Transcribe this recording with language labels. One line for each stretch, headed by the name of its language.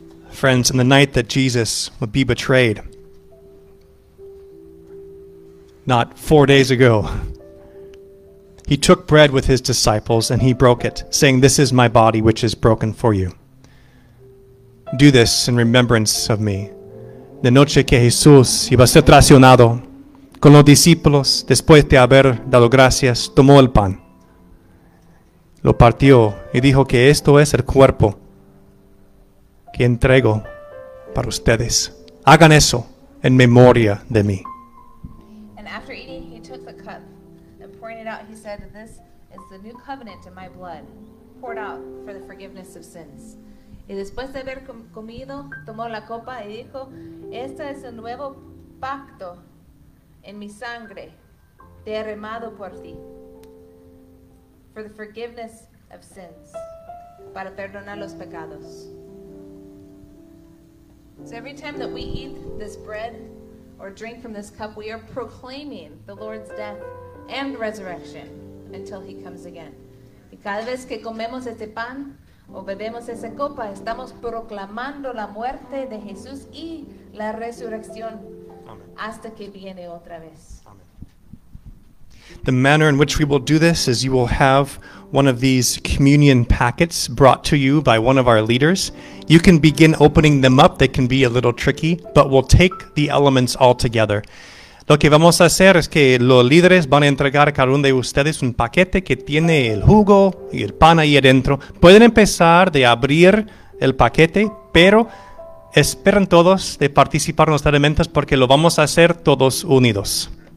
English: Friends, in the night that Jesus would be betrayed, not 4 days ago, he took bread with his disciples and he broke it, saying, "This is my body, which is broken for you. Do this in remembrance of me."
Spanish: La noche que Jesús iba a ser traicionado con los discípulos, después de haber dado gracias, tomó el pan, lo partió y dijo que esto es el cuerpo que entrego para ustedes. Hagan eso en memoria de mí.
English: And after eating, he took the cup and pouring it out, he said, "This is the new covenant in my blood, poured out for the forgiveness of sins."
Spanish: Y después de haber comido, tomó la copa y dijo, "Este es el nuevo pacto en mi sangre, derramado por ti,
English: for the forgiveness of sins,
Spanish: para perdonar los pecados."
English: So every time that we eat this bread or drink from this cup, we are proclaiming the Lord's death and resurrection until he comes again.
Spanish: Y cada vez que comemos este pan o bebemos esa copa, estamos proclamando la muerte de Jesús y la resurrección. Amen. Hasta que viene otra vez.
English: Amen. The manner in which we will do this is you will have one of these communion packets brought to you by one of our leaders. You can begin opening them up. They can be a little tricky, but we'll take the elements all together.
Spanish: Lo que vamos a hacer es que los líderes van a entregar a cada uno de ustedes un paquete que tiene el jugo y el pan ahí adentro. Pueden empezar de abrir el paquete, pero esperen todos de participar en los elementos porque lo vamos a hacer todos unidos.